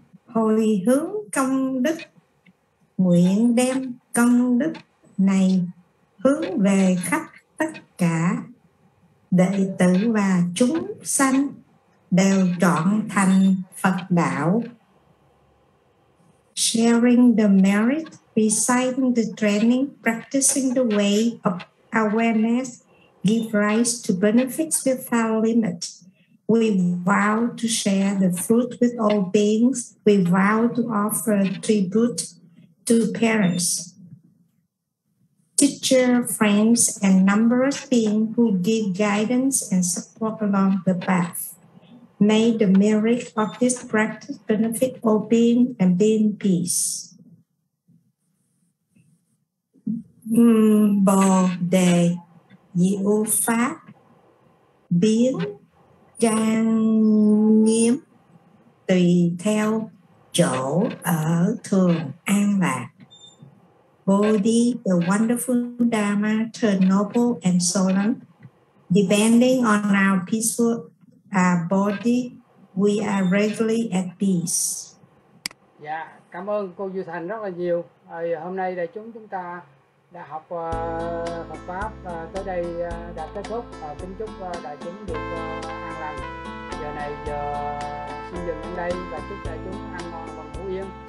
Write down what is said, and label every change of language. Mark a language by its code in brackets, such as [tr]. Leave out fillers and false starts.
[vi] Hồi hướng công đức, nguyện đem công đức này hướng về khắp tất cả đệ tử và chúng sanh đều trọn thành Phật đạo. [en] Sharing the merit besides the training, practicing the way of awareness give rise to benefits without limit. We vow to share the fruit with all beings. We vow to offer tribute to parents, teacher, friends, and numerous beings who give guidance and support along the path. May the merit of this practice benefit all beings and be in peace. [vi] Bồ đề diệu pháp biến trang nghiêm tùy theo chỗ ở thường an lạc. [en] Bodhi, the wonderful Dharma, turn noble and solemn. Depending on our peaceful body, we are regularly at peace. [vi] Dạ, cảm ơn cô Du Thành rất là nhiều. Hôm nay đại chúng chúng ta đã học Phật pháp tới đây đã kết thúc. Kính chúc đại chúng được an lành. Giờ này giờ xin dừng ở đây và chúc đại chúng an ngon và ngủ yên.